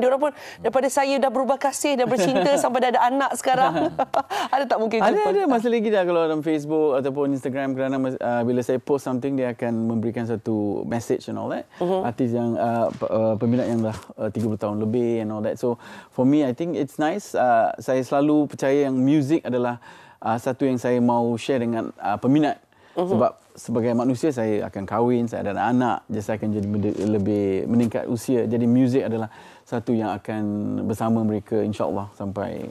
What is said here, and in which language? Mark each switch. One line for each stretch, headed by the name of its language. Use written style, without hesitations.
Malay: Diorang pun daripada saya dah berubah kasih, dah bercinta sampai dah ada anak sekarang. Ada tak mungkin? Ada. Masih lagi dah kalau dalam Facebook ataupun Instagram, kerana bila saya
English: post something,
Malay: dia akan memberikan satu message
English: and all that.
Malay: Artis yang peminat yang dah 30 tahun lebih
English: and all that. So, for me, I think it's nice.
Malay: Saya selalu percaya yang music adalah satu yang saya mahu share dengan peminat. Sebab sebagai manusia, saya akan kahwin, saya ada anak. Jadi saya akan jadi lebih meningkat usia. Jadi music adalah satu yang akan bersama mereka, insyaAllah, sampai